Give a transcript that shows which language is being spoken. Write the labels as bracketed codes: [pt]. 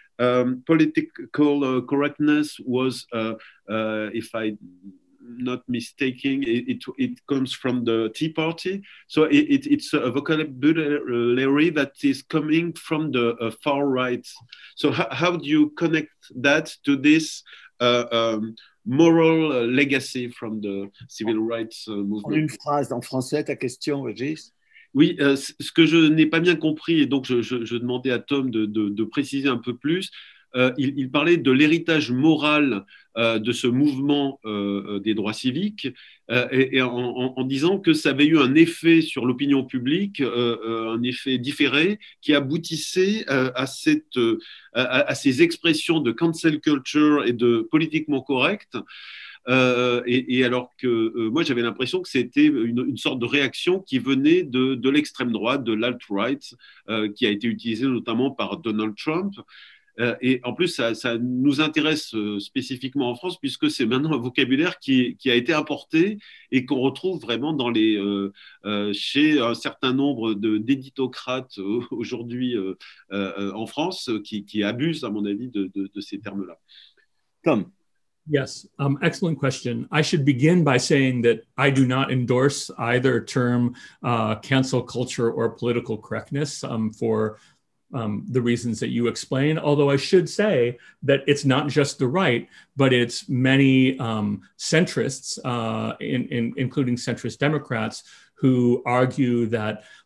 [en] Political correctness was, if I'm not mistaken, it comes from the Tea Party. So it's a vocabulary that is coming from the far right. So how do you connect that to this moral legacy from the civil rights movement? [fr] Une phrase en français, ta question, Régis? Oui, ce que je n'ai pas bien compris, et donc je demandais à Tom de préciser un peu plus, il parlait de l'héritage moral de ce mouvement des droits civiques, et en disant que ça avait eu un effet sur l'opinion publique, un effet différé, qui aboutissait à ces expressions de « cancel culture » et de « politiquement correct ». Et alors que moi, j'avais l'impression que c'était une sorte de réaction qui venait de l'extrême droite, de l'alt-right, qui a été utilisée notamment par Donald Trump. Et en plus, ça nous intéresse spécifiquement en France, puisque c'est maintenant un vocabulaire qui a été importé et qu'on retrouve vraiment dans chez un certain nombre d'éditocrates aujourd'hui en France, qui abusent, à mon avis, de ces termes-là. Tom. [en] Yes, excellent question. I should begin by saying that I do not endorse either term cancel culture or political correctness for the reasons that you explain, although I should say that it's not just the right, but it's many centrists, including centrist Democrats, who argue that